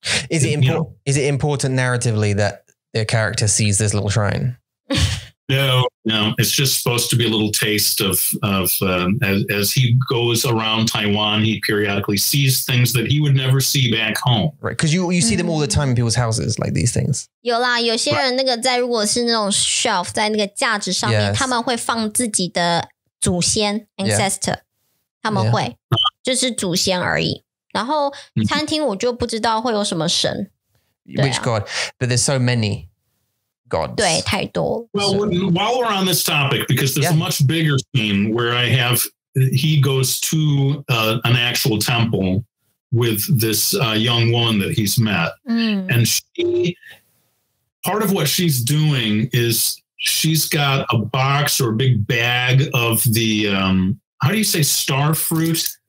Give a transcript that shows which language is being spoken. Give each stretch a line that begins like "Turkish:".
English: is it important narratively that the character sees this little shrine? No, it's just supposed to be a little taste as he goes around Taiwan, he periodically sees things that he would never see back home. Right, because you see them all the time in people's houses, like these things.
Chinese: 有啦，有些人那个在如果是那种shelf 在那个架子上面，他们会放自己的祖先 ancestor， 他们会就是祖先而已。然后餐厅我就不知道会有什么神。
English: Which god? But there's so many. While we're on this topic, because there's a much bigger scene where he goes to an actual temple with this young woman that he's met. Mm. And part of what she's doing is she's got a box or a big bag of the, how do you say star fruit?